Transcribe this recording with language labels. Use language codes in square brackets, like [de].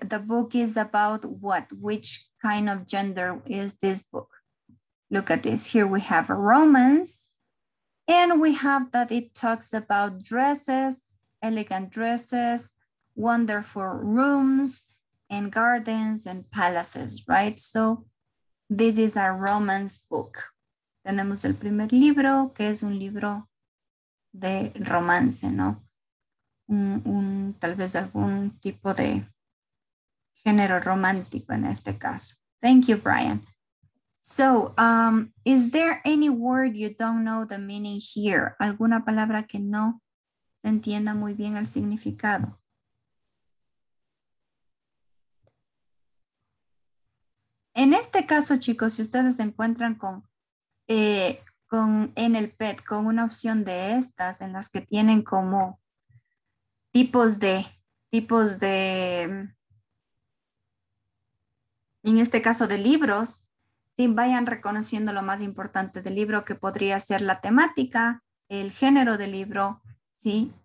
[en] The book is about what? Which kind of gender is this book? Look at this. Here we have a romance. And we have that it talks about dresses, elegant dresses, wonderful rooms and gardens and palaces, right? So this is a romance book. [es] Tenemos el primer libro, que es un libro de romance, ¿no? Tal vez algún tipo de género romántico en este caso. [en] Thank you, Brian. So, is there any word you don't know the meaning here? [es] ¿Alguna palabra que no se entienda muy bien el significado? En este caso, chicos, si ustedes se encuentran en el PET con una opción de estas, en las que tienen como tipos de, en este caso de libros, si vayan reconociendo lo más importante del libro, que podría ser la temática, el género del libro, ¿sí?